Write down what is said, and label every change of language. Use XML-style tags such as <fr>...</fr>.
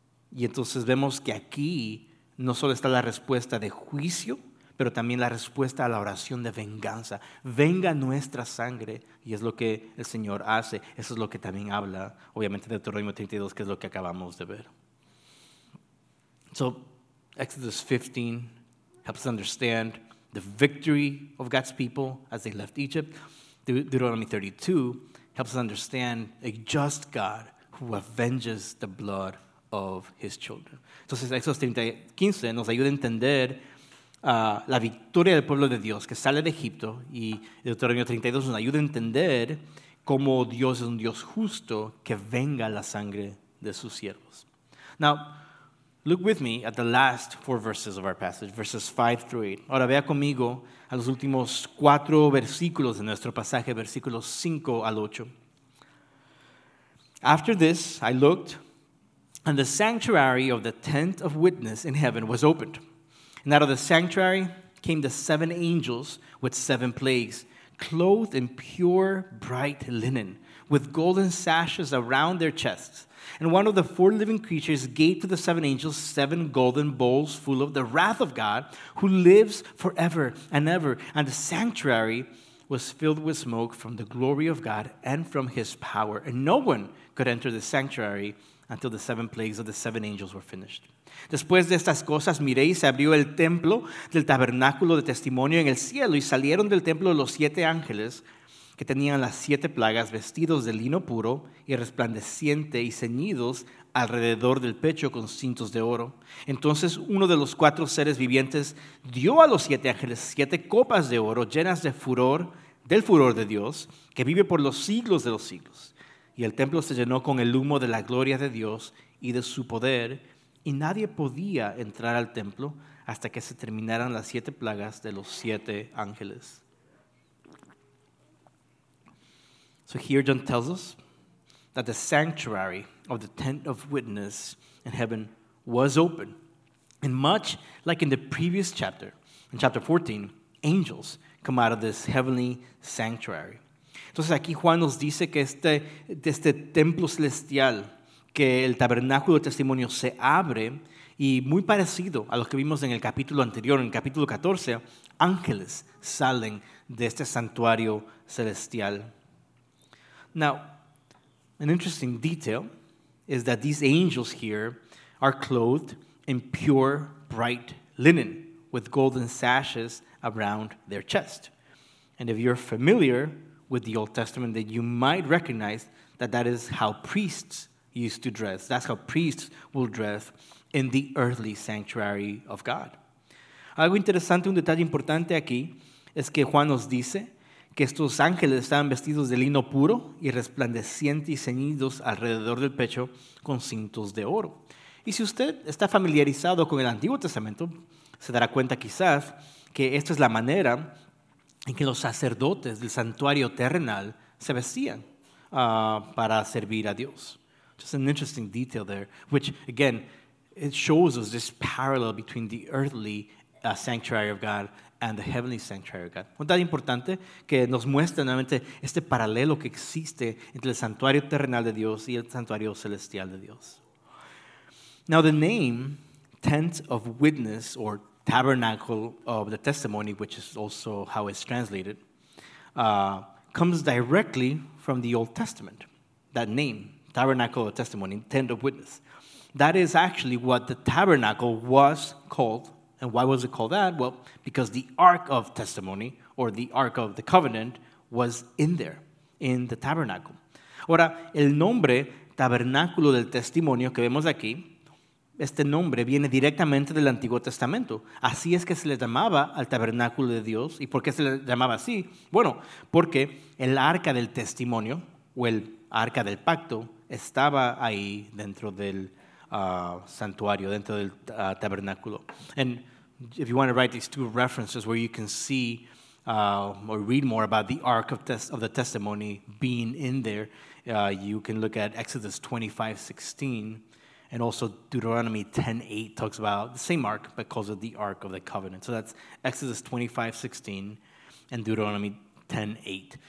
<es>Y entonces vemos que aquí no solo está la respuesta de juicio, pero también la respuesta a la oración de venganza. Venga nuestra sangre, y es lo que el Señor hace. Eso es lo que también habla, obviamente, de Deuteronomio 32, que es lo que acabamos de ver.</es> <en>So, Exodus 15 helps us understand the victory of God's people as they left Egypt. Deuteronomy 32 helps us understand a just God who avenges the blood of his children.</en> <es>Entonces, Exodus 15 nos ayuda a entender la victoria del pueblo de Dios que sale de Egipto, y Deuteronomio 32 nos ayuda a entender cómo Dios es un Dios justo que venga la sangre de sus siervos.</es> <en>Now, look with me at the last four verses of our passage, verses 5-8.</en> <es>Ahora vea conmigo a los últimos cuatro versículos de nuestro pasaje, versículos 5-8.</es> <en>After this, I looked, and the sanctuary of the tent of witness in heaven was opened. And out of the sanctuary came the seven angels with seven plagues, clothed in pure, bright linen, with golden sashes around their chests. And one of the four living creatures gave to the seven angels seven golden bowls full of the wrath of God, who lives forever and ever. And the sanctuary was filled with smoke from the glory of God and from his power. And no one could enter the sanctuary until the seven plagues of the seven angels were finished.</en> <es>Después de estas cosas, miré y se abrió el templo del tabernáculo de testimonio en el cielo, y salieron del templo los siete ángeles que tenían las siete plagas, vestidos de lino puro y resplandeciente, y ceñidos alrededor del pecho con cintos de oro. Entonces uno de los cuatro seres vivientes dio a los siete ángeles siete copas de oro llenas de furor, del furor de Dios, que vive por los siglos de los siglos. Y el templo se llenó con el humo de la gloria de Dios y de su poder, y nadie podía entrar al templo hasta que se terminaran las siete plagas de los siete ángeles.</es> <en>So here John tells us that the sanctuary of the tent of witness in heaven was open. And much like in the previous chapter, in chapter 14, angels come out of this heavenly sanctuary.</en> <es>Entonces aquí Juan nos dice que este templo celestial, que el tabernáculo de testimonio se abre, y muy parecido a lo que vimos en el capítulo anterior, en el capítulo 14, ángeles salen de este santuario celestial.</es> <en>Now, an interesting detail is that these angels here are clothed in pure, bright linen with golden sashes around their chest. And if you're familiar with the Old Testament, then you might recognize that that is how priests used to dress. That's how priests will dress in the earthly sanctuary of God.</en> <es>Algo interesante, un detalle importante aquí, es que Juan nos dice que estos ángeles estaban vestidos de lino puro y resplandeciente y ceñidos alrededor del pecho con cintos de oro. Y si usted está familiarizado con el Antiguo Testamento, se dará cuenta quizás que esta es la manera en que los sacerdotes del santuario terrenal se vestían para servir a Dios.</es> <en>Just an interesting detail there, which again, it shows us this parallel between the earthly sanctuary of God and the heavenly sanctuary of God.</en> <es>Un dato importante que nos muestra nuevamente este paralelo que existe entre el santuario terrenal de Dios y el santuario celestial de Dios.</es> <en>Now the name Tent of Witness, or Tabernacle of the Testimony, which is also how it's translated, comes directly from the Old Testament. That name, Tabernacle of Testimony, Tent of Witness. That is actually what the tabernacle was called And why was it called that? Well, because the Ark of Testimony, or the Ark of the Covenant, was in there, in the tabernacle.</en> <es>Ahora, el nombre Tabernáculo del Testimonio que vemos aquí, este nombre viene directamente del Antiguo Testamento. Así es que se le llamaba al tabernáculo de Dios. ¿Y por qué se le llamaba así? Bueno, porque el arca del testimonio o el arca del pacto estaba ahí dentro del santuario, dentro del tabernáculo.</es> <en>And if you want to write these two references where you can see or read more about the Ark of the Testimony being in there, you can look at Exodus 25:16. And also Deuteronomy 10:8 talks about the same ark, but calls it the Ark of the Covenant. So that's Exodus 25:16 and Deuteronomy 10:8.</en>